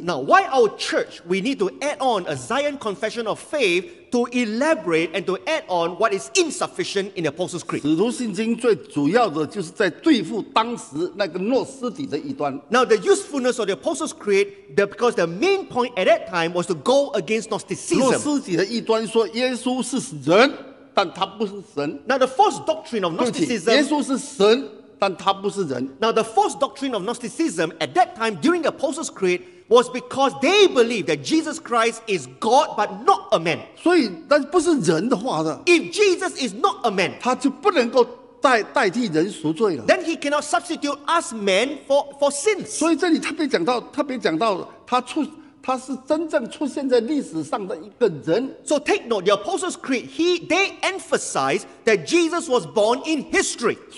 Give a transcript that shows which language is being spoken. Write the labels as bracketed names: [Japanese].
[English] Now why our church, we need to add on a Zion confession of faith to elaborate and to add on what is insufficient in the Apostles' Creed. [Chinese] 使徒信经最主要的就是在对付当时那个诺斯底的异端。 [English] Now the usefulness of the Apostles' Creed, because the main point at that time was to go against Gnosticism. [Chinese] 诺斯底的异端说耶稣是人, 但他不是神。 [English] Now the false doctrine of Gnosticism, [Chinese] 对不起, 耶稣是神,但他不是人。 [English] Now the false doctrine of Gnosticism at that time during the Apostles' Creed was because they believed that Jesus Christ is God but not a man. [Chinese] 所以但不是人的话呢, [English] if Jesus is not a man, [Chinese] 他就不能够代替人赎罪了。 [English] Then he cannot substitute us men for sins. [Chinese] 所以这里特别讲到他出 他是真正出现在历史上的一个人。 [English] So take note, the Apostles' Creed, they emphasize that Jesus was born in history.